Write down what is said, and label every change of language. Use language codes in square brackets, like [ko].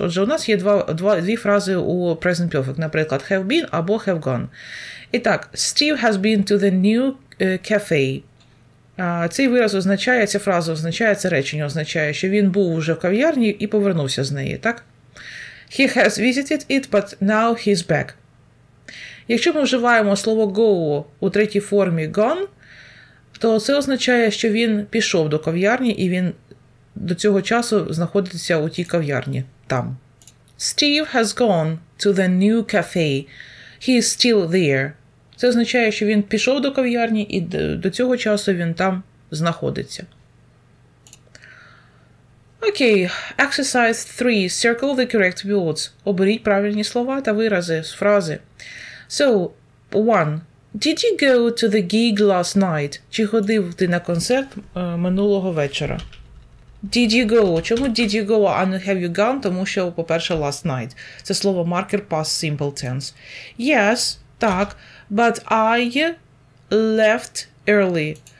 [uk] Отже, у нас є дві фрази у present perfect. Наприклад, have been або have gone. [en] І так, Steve has been to the new [uk] кафе. Цей вираз означає, ця фраза означає, це речення означає, що він був уже в кав'ярні і повернувся з неї, так? [en] He has visited it, but now he's back. [uk] Якщо ми вживаємо слово go у третій формі gone, то це означає, що він пішов до кав'ярні і він до цього часу знаходиться у тій кав'ярні, там. [en] Steve has gone to the new cafe. He is still there. [uk] Це означає, що він пішов до кав'ярні і до цього часу він там знаходиться. [en] Окей, exercise 3. Circle the correct words. [uk] Оберіть правильні слова та вирази з фрази. [en] So, 1. Did you go to the gig last night? [uk] Чи ходив ти на концерт минулого вечора? [en] Did you go? Чому did you go, а не have you gone? [uk] Тому що, по-перше, [en] last night. [uk] Це слово marker past simple tense. Yes, так. [en] But I left early.